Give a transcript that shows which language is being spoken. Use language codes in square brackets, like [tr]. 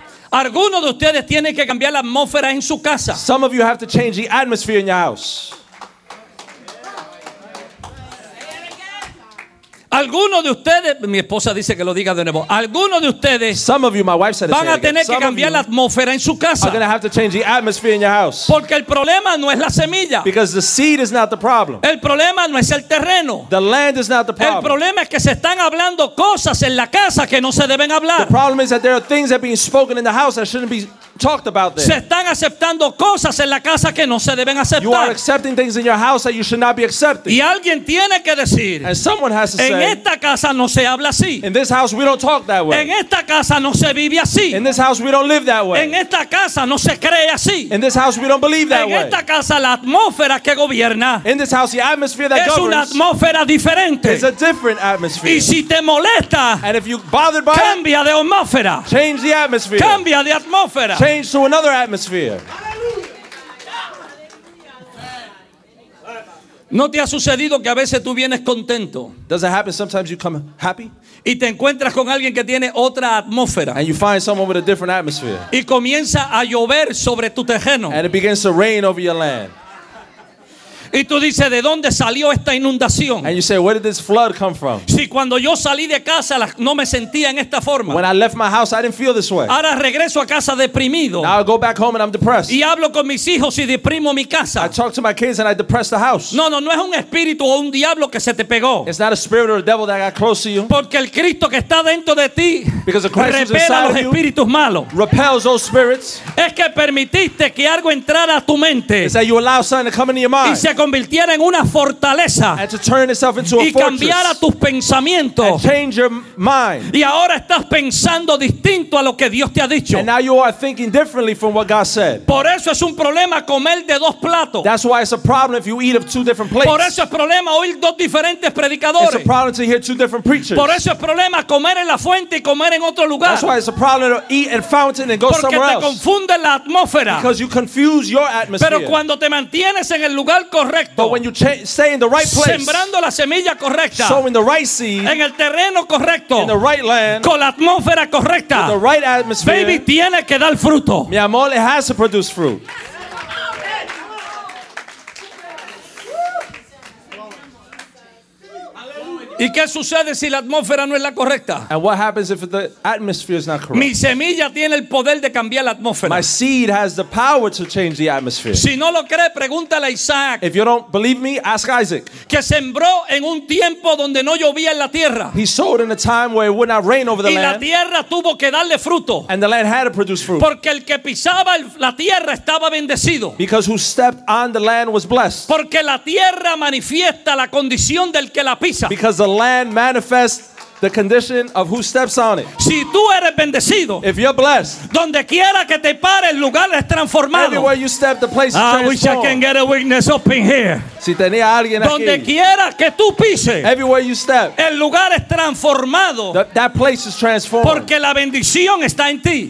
[es] Algunos de ustedes tienen que cambiar la atmósfera en su casa. [en] Some of you have to change the atmosphere in your house. [es] Algunos de ustedes, mi esposa dice que lo diga de nuevo. Algunos de ustedes, [en] some of you, my wife said [es] van a tener [en] again. [es] Que [en] some [es] cambiar la atmósfera en su casa. [en] Are going to have to change the atmosphere in your house. [es] Porque el problema no es la semilla. [en] Because the seed is not the problem. [es] El problema no es el terreno. [en] The land is not the problem. [es] El problema es que se están hablando cosas en la casa que no se deben hablar. [en] The problem is that there are things that are being spoken in the house that shouldn't be talked about there. [es] Se están aceptando cosas en la casa que no se deben aceptar. [en] You are accepting things in your house that you should not be accepting. [es] Y alguien tiene que decir. [en] And someone has to say. [es] En esta casa no se habla así. [en] In this house we don't talk that way. [es] En esta casa no se vive así. [en] In this house we don't live that way. [es] En esta casa no se cree así. [en] In this house we don't believe that [es] en [en] way. [es] En esta casa la atmósfera que gobierna. [en] In this house the atmosphere that [es] es [en] governs. [es] Es una atmósfera diferente. [en] It's a different atmosphere. [es] Y si te molesta. [en] And if you bothered by [es] cambia de atmósfera. [en] Change the atmosphere. [es] Cambia de atmósfera. [en] Change to another atmosphere. [es] ¿No te ha sucedido que a veces tú vienes contento? [en] Does it happen sometimes you come happy? [es] Y te encuentras con alguien que tiene otra atmósfera. [en] And you find someone with a different atmosphere. [es] Y comienza a llover sobre tu terreno. [en] And it begins to rain over your land. [es] Y tú dices, ¿de dónde salió esta inundación? [en] And you say, where did this flood come from? [es] Si cuando yo salí de casa no me sentía en esta forma. [en] When I left my house, I didn't feel this way. [es] Ahora regreso a casa deprimido. [en] Now I go back home and I'm depressed. [es] Y hablo con mis hijos y deprimo mi casa. [en] I talk to my kids and I depress the house. [es] No, no, no es un espíritu o un diablo que se te pegó. [en] It's not a spirit or a devil that got close to you. [es] Porque el Cristo que está dentro de ti repela los espíritus malos. [en] Repels those spirits. [es] Es que permitiste que algo entrara a tu mente. [en] It's that you allow something to come into your mind. [es] Y se convirtiera en una fortaleza y cambiara tus pensamientos y ahora estás pensando distinto a lo que Dios te ha dicho. [en] And now you are thinking differently from what God said. [es] Por eso es un problema comer de dos platos. [en] That's why it's a problem if you eat of two different plates. [es] Por eso es problema oír dos diferentes predicadores. [en] It's a problem to hear two different preachers. [es] Por eso es problema comer en la fuente y comer en otro lugar. [en] That's why it's a problem to eat at fountain and go [es] porque [en] somewhere [es] te confunde la atmósfera. [en] Because you confuse your atmosphere. [es] Pero cuando te mantienes en el lugar correcto. [en] But when you stay in the right place, [es] sembrando la semilla correcta, [en] sowing the right seed, [es] en el terreno correcto, [en] in the right land, [es] con la atmósfera correcta, [en] with the right atmosphere, baby, [es] tiene que dar fruto. Mi amor, [en] it has to produce fruit. [es] ¿Y qué sucede si la atmósfera no es la correcta? [en] And what happens if the atmosphere is not correct? [es] Mi semilla tiene el poder de cambiar la atmósfera. [en] My seed has the power to change the atmosphere. [es] Si no lo cree, pregúntale a Isaac. [en] If you don't believe me, ask Isaac. [es] Que sembró en un tiempo donde no llovía en la tierra. [en] He sowed in a time where it would not rain over the land. [es] Y la tierra tuvo que darle fruto. [en] And the land had to produce fruit. [es] Porque el que pisaba la tierra estaba bendecido. [en] Because who stepped on the land was blessed. [es] Porque la tierra manifiesta la condición del que la pisa. [en] Because the land manifests the condition of who steps on it. [es] Si tú eres bendecido, [en] if you're blessed, [es] donde quiera que te pare, el lugar es transformado. [en] Anywhere you step, the place is transformed. I wish I can get a witness up in here. [es] Si tenía alguien aquí, donde quiera que tú pises, [en] everywhere you step, [es] el lugar es transformado. [en] That place is transformed. [es] Porque la bendición está en ti.